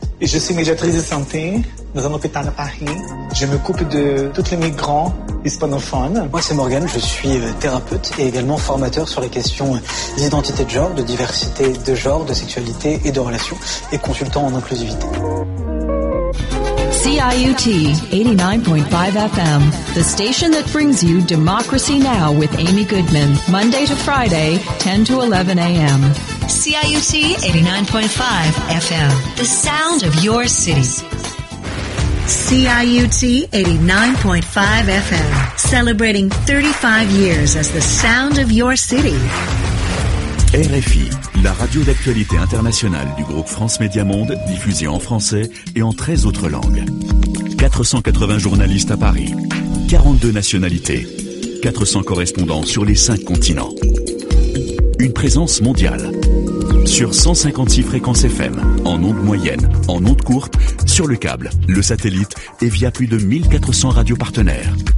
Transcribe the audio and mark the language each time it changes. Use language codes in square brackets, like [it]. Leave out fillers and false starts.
[fr] Et je suis médiatrice de santé dans un hôpital à Paris. Je m'occupe de tous les migrants hispanophones. Moi, c'est Morgane. Je suis thérapeute et également formateur sur les questions d'identité de genre, de diversité de genre, de sexualité et de relations, et consultant en inclusivité. [en] CIUT 89.5 FM, the station that brings you Democracy Now! With Amy Goodman, Monday to Friday, 10 to 11 a.m. CIUT 89.5 FM, the sound of your city. CIUT 89.5 FM, celebrating 35 years as the sound of your city. [fr] RFI, la radio d'actualité internationale du groupe France Média Monde, diffusée en français et en 13 autres langues. 480 journalistes à Paris, 42 nationalités, 400 correspondants sur les 5 continents. Une présence mondiale, sur 156 fréquences FM, en ondes moyennes, en ondes courtes, sur le câble, le satellite et via plus de 1400 radios partenaires.